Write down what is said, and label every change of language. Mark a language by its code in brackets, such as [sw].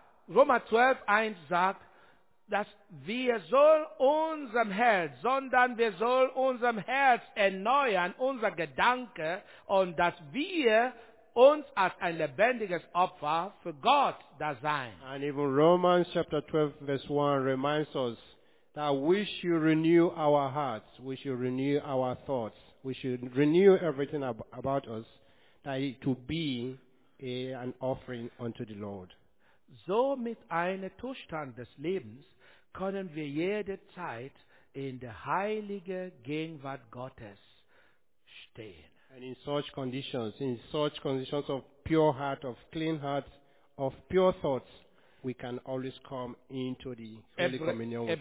[de] Römer 12, 1 sagt, dass wir soll unserem Herz, sondern wir soll unserem Herz erneuern, unser Gedanke, und dass wir uns als ein lebendiges Opfer für Gott da sein. [en] And even Romans chapter 12, verse 1 reminds us that we should renew our hearts, we should renew our thoughts, we should renew everything about us, that it to be an offering unto the Lord. [de] So mit einem Zustand des Lebens können wir jede Zeit in der heiligen Gegenwart Gottes stehen. [en] And in such conditions of pure heart, of clean heart, of pure thoughts, we can always come into the Holy Communion with